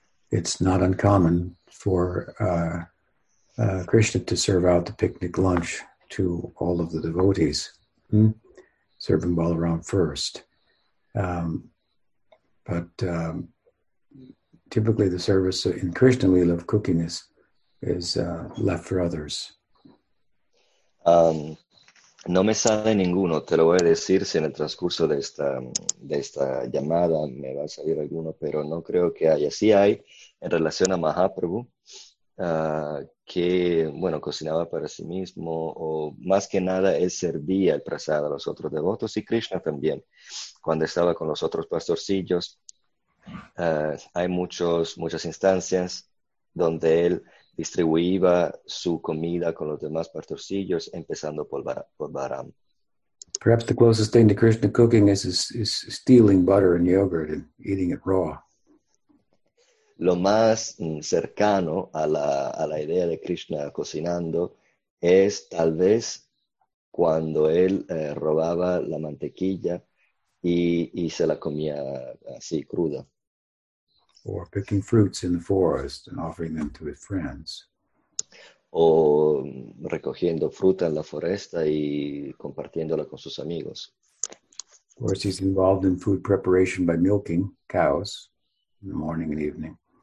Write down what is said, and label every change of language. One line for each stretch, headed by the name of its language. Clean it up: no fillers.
English: It's not uncommon for Krishna to serve out the picnic lunch to all of the devotees, serving Balaram first. But typically the service in Krishna Leela of cooking is left for others.
Spanish: No me sale ninguno, te lo voy a decir si en el transcurso de esta llamada me va a salir alguno, pero no creo que haya. Sí hay en relación a Mahaprabhu, que, bueno, cocinaba para sí mismo, o más que nada él servía el prasada a los otros devotos y Krishna también. Cuando estaba con los otros pastorcillos, hay muchas instancias donde él distribuía su comida con los demás pastorcillos, empezando por Balaram.
English: Perhaps the closest thing to Krishna cooking is stealing butter and yogurt and eating it raw.
Spanish: Lo más cercano a la idea de Krishna cocinando es tal vez cuando él robaba la mantequilla y se la comía así, cruda.
English: Or picking fruits in the forest and offering them to his friends.
Spanish: O recogiendo fruta en la foresta y compartiéndola con sus amigos.
English: Of course, he's involved in food preparation by milking cows in the morning and evening.